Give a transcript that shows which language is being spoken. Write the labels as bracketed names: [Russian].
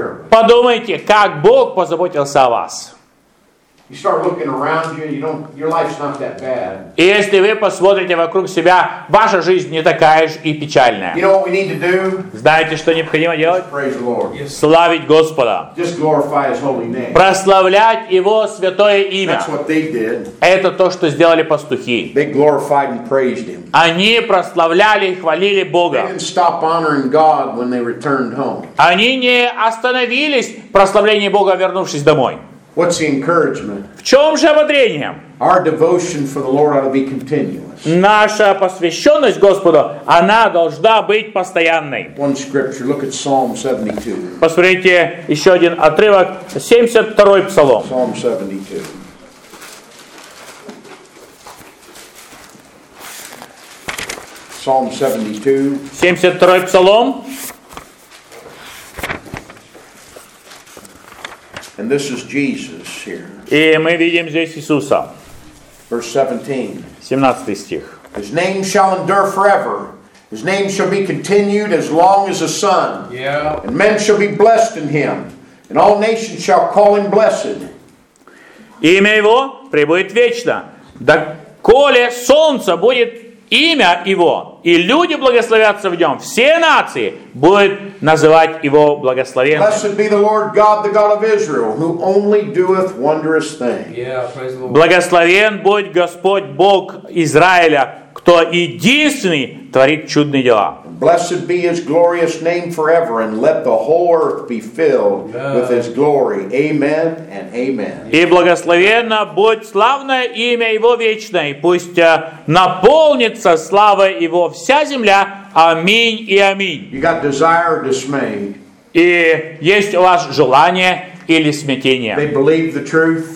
[Russian] Подумайте, как Бог позаботился о вас. [English] You start looking around you, you don't, your life's not that bad. [Russian] И если вы посмотрите вокруг себя, ваша жизнь не такая уж и печальная. [English] You know what we need to do? [Russian] Знаете, что необходимо делать? [English] Praise the Lord. [Russian] Славить Господа. [English] Just glorify His holy name. [Russian] Прославлять Его святое имя. [English] That's what they did. [Russian] Это то, что сделали пастухи. [English] They glorified and praised Him. [Russian] Они прославляли и хвалили Бога. [English] They didn't stop honoring God when they returned home. [Russian] Они не остановились в прославлении Бога, вернувшись домой. [English] What's the encouragement? [Russian] В чем же ободрение? [English] Our devotion for the Lord ought to be continuous. [Russian] Наша посвященность Господу, она должна быть постоянной. [English] One scripture, look at Psalm 72. [Russian] Посмотрите еще один отрывок, 72-й псалом. [English] Psalm 72. Psalm 72. [Russian] 72-й псалом. [English] And this is Jesus here. [Russian] И мы видим здесь Иисуса. [English] Verse 17. [Russian] 17 стих. [English] His name shall endure forever. His name shall be continued as long as the sun. Yeah. And men shall be blessed in him. And all nations shall call him blessed. [Russian] Имя его пребудет вечно. Доколе солнце будет имя его, и люди благословятся в нем, все нации будут называть его благословенным. [English] Blessed be the Lord God, the God of Israel, who only doeth wondrous things. Yeah, praise the Lord. [Russian] Благословен будет Господь Бог Израиля, кто единственный творит чудные дела. [English] Blessed be His glorious name forever, and let the whole earth be filled with His glory. Amen and amen. [Russian] И благословенно будь славное имя Его вечное, пусть наполнится слава Его вся земля. Аминь и аминь. [English] You got desire or dismay? [Russian] И есть у вас желание или смятение? [English] They believed the truth.